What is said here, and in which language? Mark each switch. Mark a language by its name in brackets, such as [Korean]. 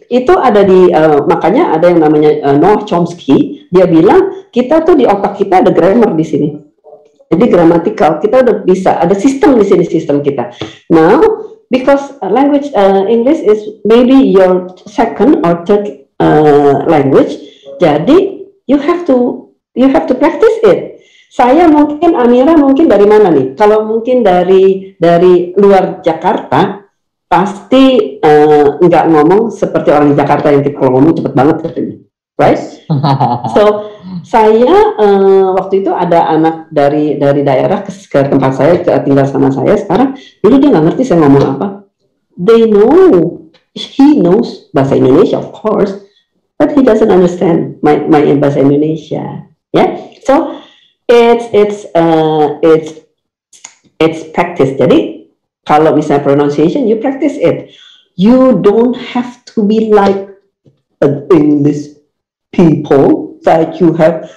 [Indonesian] Itu ada di makanya ada yang namanya Noam Chomsky, dia bilang kita tuh di otak kita ada grammar di sini. Jadi grammatical, kita udah bisa ada sistem di sini, sistem kita. [English] Now, because language English is maybe your second or third language, jadi you have to practice it. [Indonesian] Saya mungkin, Amira mungkin dari mana nih? Kalau mungkin dari luar Jakarta, pasti nggak ngomong seperti orang Jakarta yang kalau ngomong cepet banget katanya, right? So saya waktu itu ada anak dari daerah ke tempat saya tinggal sama saya sekarang, dulu dia nggak ngerti saya ngomong apa. [English] They know, he knows bahasa Indonesia of course, but he doesn't understand my bahasa Indonesia, ya? Yeah? So it's practice. [Indonesian] Jadi kalau misalnya [English] pronunciation, you practice it. You don't have to be like an English people that you have.